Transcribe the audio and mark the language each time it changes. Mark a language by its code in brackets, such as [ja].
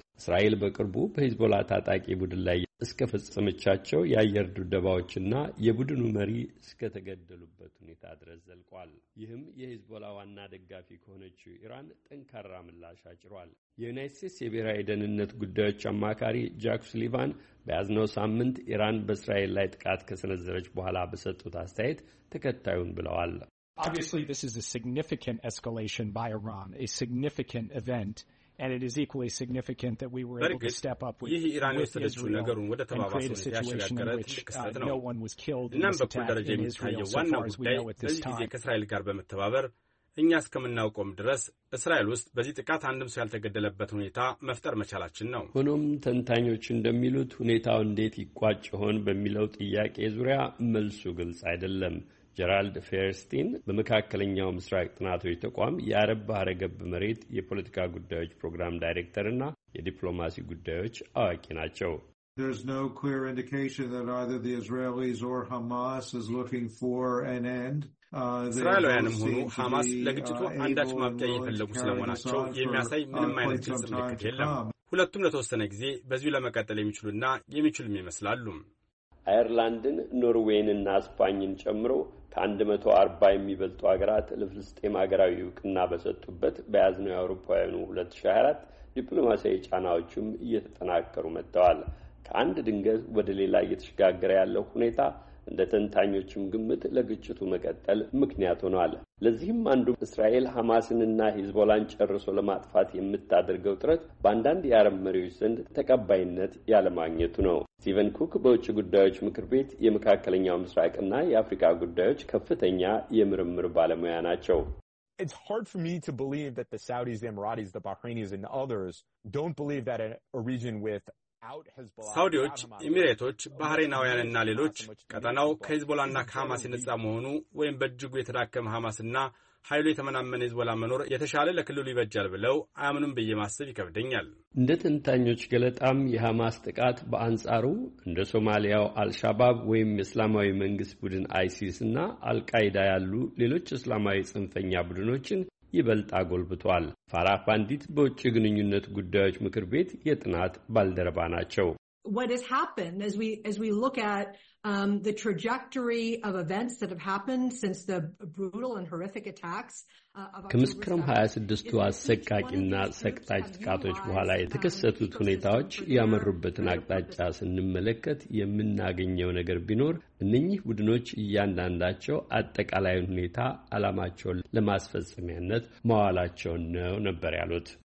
[am] እስራኤል በቅርቡ በሂዝቦላ ታጣቂ ቡድን ላይ እስከፈጸመቻቸው የአየር ድብደባዎችና የቡድኑ መሪ እስከተገደሉበት ሁኔታ ድረስ ዘልቋል። ይህም የሂዝቦላ ዋና ደጋፊ ከሆነችው ኢራን ጠንካራ ምላሽ አጭሯል። የዩናይት ስቴትስ የብሔራዊ ደህንነት ጉዳዮች አማካሪ ጃክ ሱሊቫን በያዝነው ሳምንት ኢራን በእስራኤል ላይ ጥቃት ከሰነዘረች በኋላ በሰጡት አስተያየት ተከታዩን ብለዋል። [en] Obviously this is a significant escalation by Iran, a significant event. And it is equally significant that we were able to step up with Israel and create a situation in which no one was killed in this attack in Israel so far as we know at this time. [am] እዚህ ከእስራኤል ጋር በመተባበር እኛ እስከምናውቀውም ድረስ እስራኤል ውስጥ በዚህ ጥቃት አንድም ሰው ያልተገደለበት ሁኔታ መፍጠር መቻላችን ነው። ሆኖም ተንታኞች እንደሚሉት ሁኔታው እንዴት ይቋጭ ይሆን በሚለው ጥያቄ ዙሪያ መልሱ ግልጽ አይደለም። ጀራልድ ፌርስቲን በመካከለኛው ምስራቅ ጥናቶች ተቋም የአረብ ባህረ ገብ መሬት የፖለቲካ ጉዳዮች ፕሮግራም ዳይሬክተር እና የዲፕሎማሲ ጉዳዮች አዋቂ ናቸው። [en] There's no clear indication that either the Israelis or Hamas is looking for an end. [am] እስራኤላውያንም ሆኑ ሐማስ ለግጭቱ አንዳች ማብቂያ እየፈለጉ ስለመሆናቸው የሚያሳይ ምንም አይነት ግልጽ ምልክት የለም። ሁለቱም ለተወሰነ ጊዜ በዚሁ ለመቀጠል የሚችሉና የሚችሉም ይመስላሉ። አየርላንድን፣ ኖርዌይን እና ስፓኝን ጨምሮ ከ140 የሚበልጡ ሀገራት ለፍልስጤም ሀገራዊ እውቅና በሰጡበት በያዝነው የአውሮፓውያኑ 2024 ዲፕሎማሲያዊ ጫናዎቹም እየተጠናከሩ መጥተዋል። ከአንድ ድንገት ወደ ሌላ እየተሸጋገረ ያለው ሁኔታ ለተንታኞችም ግምት ለግጭቱ መቀጠል ምክንያት ሆኗል። ለዚህም አንዱ እስራኤል ሐማስንና ሂዝቦላን ጨርሶ ለማጥፋት የምታደርገው ጥረት በአንዳንድ የአረብ መሪዎች ዘንድ ተቀባይነት ያለማግኘቱ ነው። ስቲቨን ኩክ በውጭ ጉዳዮች ምክር ቤት የመካከለኛው ምስራቅና የአፍሪካ ጉዳዮች ከፍተኛ የምርምር ባለሙያ ናቸው። [en] It's hard for me to believe that the Saudis, the Emiratis, the Bahrainis and others don't believe that a region with [am] ሳውዲዎች፣ ኢሚሬቶች፣ ባህሬናውያንና ሌሎች ቀጠናው ከሂዝቦላና ከሐማስ ንጻ መሆኑ ወይም በእጅጉ የተዳከመ ሐማስና ኃይሉ የተመናመነ ሂዝቦላ መኖር የተሻለ ለክልሉ ይበጃል ብለው አያምኑም ብዬ ማሰብ ይከብደኛል። እንደ ተንታኞች ገለጣም የሐማስ ጥቃት በአንጻሩ እንደ ሶማሊያው አልሻባብ ወይም እስላማዊ መንግስት ቡድን አይሲስ እና አልቃይዳ ያሉ ሌሎች እስላማዊ ጽንፈኛ ቡድኖችን ይበልጣ ጎልብቷል። ፋራ ፓንዲት በውጭ ግንኙነት ጉዳዮች ምክር ቤት የጥናት ባልደረባ ናቸው። [en] What has happened as we look at the trajectory of events that have happened since the brutal and horrific attacks [am] ከመስከረም 26ቱ አሰቃቂና ሰቅጣጭ ጥቃቶች በኋላ የተከሰቱት ሁኔታዎች ያመሩበትን አቅጣጫ ስንመለከት የምናገኘው ነገር ቢኖር እነኚህ ቡድኖች እያንዳንዳቸው አጠቃላይ ሁኔታ አላማቸውን ለማስፈጸሚያነት መዋላቸው ነው ነበር ያሉት።